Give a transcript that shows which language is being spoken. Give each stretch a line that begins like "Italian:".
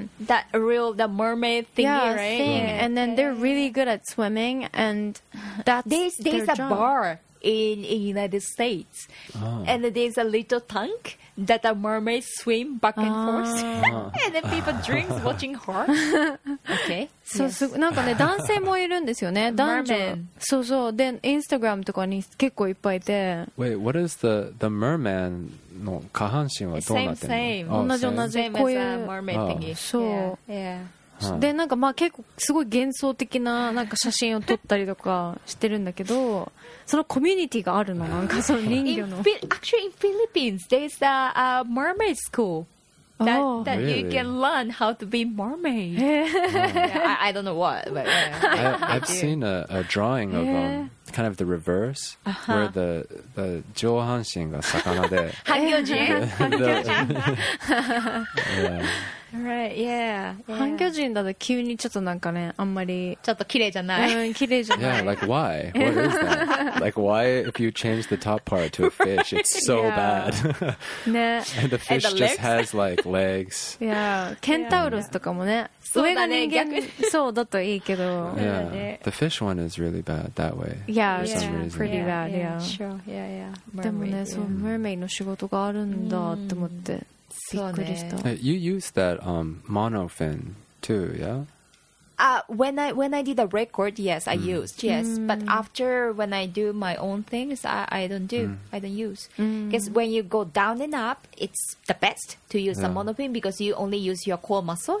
English: That real, the mermaid thingy, right? Thing. Yeah. And then they're really good at swimming, and that's there's their a job. Bar. In United States. Oh. And there's a little tank that a mermaid swim back and forth. And then people drink watching her. Okay.
Japanese: そう、yes. なんかね、男性もいるんですよね。男女。そうそう。で、インスタグラムとかに結構いっぱいいて。
English: Wait, what is the merman
Japanese: の下半身はどうなってるの？
English: Same, same.
Japanese: 同じ同じ。こういう。
English: Same as a mermaid thingy.
Japanese: そう。
English: Yeah.
Japanese: で、なんかまあ結構すごい幻想的ななんか写真を撮ったりとかしてるんだけど、そのコミュニティがあるの、なんかその人魚の。
English: Actually, in Philippines, there's a mermaid school that you can learn how to be mermaid. I don't know what, but yeah. I've seen a drawing of kind of the reverse, where the
Japanese: 上半身が魚で。ハギョジン。
English: Right, yeah.
Japanese: 半魚人だと急にちょっとなんかね、あんまり。ちょっと綺麗じゃない。うん、綺麗じゃない。
English: Yeah, like why? What is that? Like why if you change the top part to a fish, it's so bad.
Japanese: ね。
English: And the fish and the just has like legs.
Japanese: Yeah, ケンタウロスとかもね。上がね、逆に。そうだといいけど。
English: Yeah, the fish one is really bad that way. Yeah, it's pretty bad, yeah. Sure, yeah, yeah.
Japanese: でもね、そう、メーメイの仕事があるんだって思って。
English: You use that monofin too, yeah? When I did a record, yes, I used, yes. Mm. But after when I do my own things, I don't use. Because when you go down and up, it's the best to use the monofin because you only use your core muscle.